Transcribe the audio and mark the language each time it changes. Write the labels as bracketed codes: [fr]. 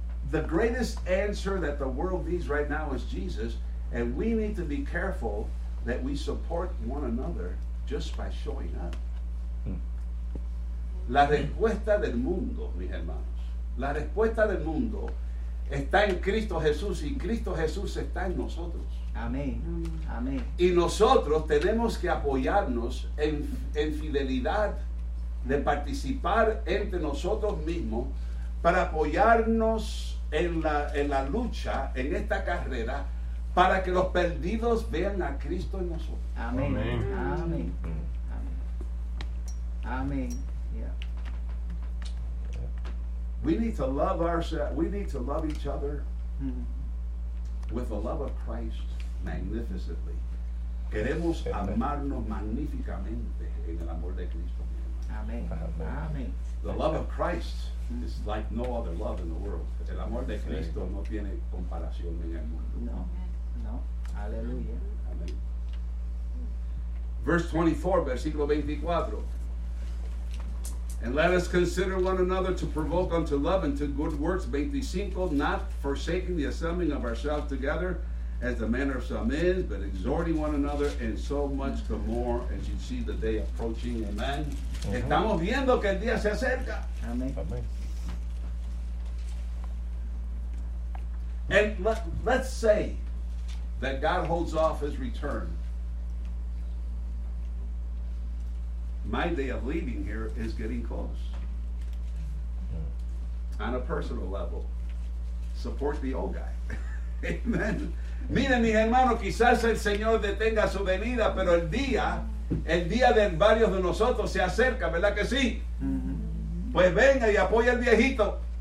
[en] The greatest answer that the world needs right now is Jesus, and we need to be careful that we support one another just by showing up. [es] La respuesta del mundo, mis hermanos, la respuesta del mundo está en Cristo Jesús, y Cristo Jesús está en nosotros. Amén. Y nosotros tenemos que apoyarnos en fidelidad, de participar entre nosotros mismos para apoyarnos en la lucha, en esta carrera, para que los perdidos vean a Cristo en nosotros. Amén. Amén. [en] We need to love ourselves. We need to love each other with the love of Christ magnificently. [es] Queremos amarnos magníficamente en el amor de Cristo. Amén. [en] The love of Christ is like no other love in the world. [es] El amor de Cristo no tiene comparación en el mundo. No. Aleluya. Amén. Verse [en] 24, [es] versículo 24. [en] And let us consider one another to provoke unto love and to good works. 25, not forsaking the assembling of ourselves together, as the manner of some is, but exhorting one another, and so much the more as you see the day approaching. [es] Amen. Uh-huh. Estamos viendo que el día se acerca. [en] Amen. And let's say that God holds off his return. My day of leaving here is getting close. On a personal level, support the old guy. Amen. [es] Miren, mis hermanos, quizás el Señor detenga su venida, pero el día de varios de nosotros se acerca, ¿verdad que sí? Pues venga y apoya al viejito.